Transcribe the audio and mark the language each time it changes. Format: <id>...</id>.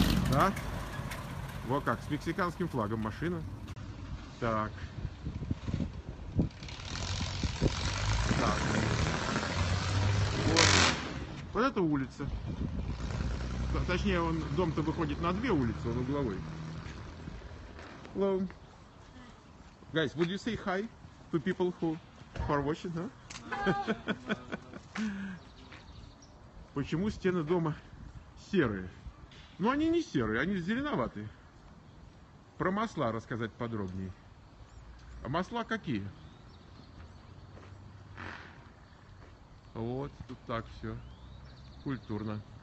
<ru>Так. Вот как, с мексиканским флагом машина. Так. Так. Вот это улица. Точнее, он дом-то выходит на две улицы, он угловой.</ru> <en>Hello. Guys, would you say hi to people who are watching, huh?</en> <ru>Почему стены дома серые? Ну, они не серые, они зеленоватые. Про масла рассказать подробнее. А масла какие? Вот, тут так все. Культурно.</ru>